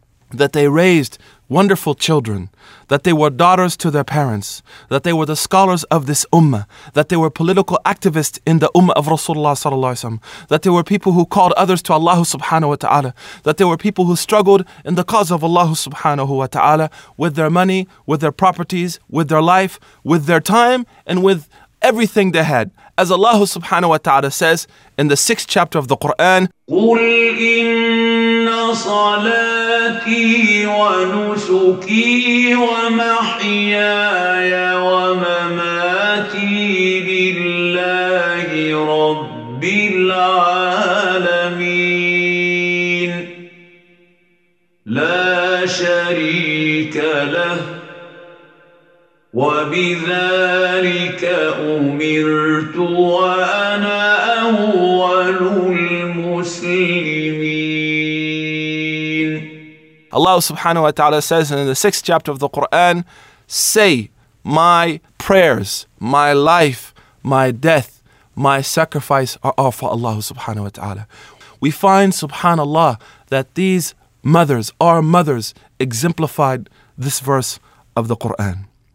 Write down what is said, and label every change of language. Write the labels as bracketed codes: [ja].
[en] that they raised wonderful children, that they were daughters to their parents, that they were the scholars of this ummah, that they were political activists in the ummah of Rasulullah sallallahu alaihi wasallam, that they were people who called others to Allah subhanahu wa ta'ala, that they were people who struggled in the cause of Allah subhanahu wa ta'ala with their money, with their properties, with their life, with their time, and with everything they had. As Allah subhanahu wa ta'ala says in the sixth chapter of the Quran, [ar] قُلْ إِنَّ صلاتي ونسكي ومحياي ومماتي لله رب العالمين لا شريك له وبذلك أمرت وأنا أول المسلمين. [en] Allah subhanahu wa ta'ala says in the 6th chapter of the Quran, say, my prayers, my life, my death, my sacrifice are all for Allah subhanahu wa ta'ala. We find, subhanallah, that these mothers, our mothers, exemplified this verse of the Quran.